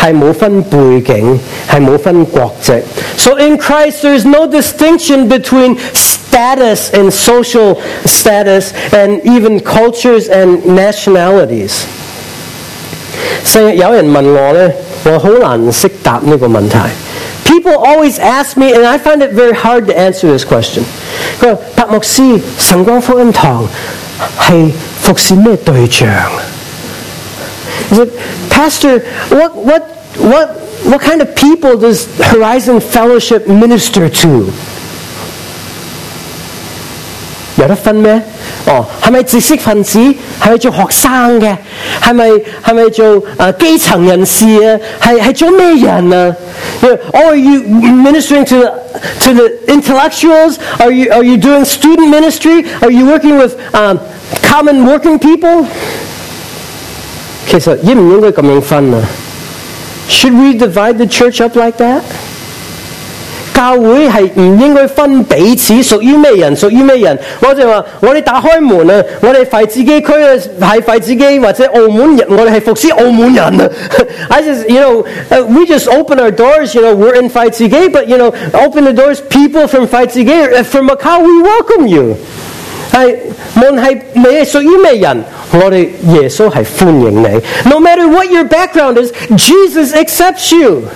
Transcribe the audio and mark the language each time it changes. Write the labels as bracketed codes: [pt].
[zh] 在主里面是没分阶层,是没分背景,是没分国籍. [en] So in Christ, there's no distinction between status and social status and even cultures and nationalities. [zh] 有人问我,我很难懂这个问题. [en] People always ask me, and I find it very hard to answer this question. [zh] 他说,伯牧师,神光福音堂是服侍什么对象? [en] He said, Pastor, what kind of people does Horizon Fellowship minister to? [zh] 有得分咩?哦,是不是知识分子?是不是做学生的? 是不是做基层人士啊?是做什么人啊? [en] Or are you ministering to the intellectuals? Are you doing student ministry? Are you working with common working people? [zh] 其实应不应该这样分呢? [en] Should we divide the church up like that? [zh] 教会是不应该分彼此属于什么人, 或者说我们打开门, 我们是自己区,是自己或者澳门人, 我们是服侍澳门人. [en] I just, you know, we just open our doors, you know, we're in 自己, but you know, open the doors, people from 自己, from Macau, we welcome you. [zh] 门是你属于什么人?我们耶稣是欢迎你. [en] No matter what your background is, Jesus accepts you.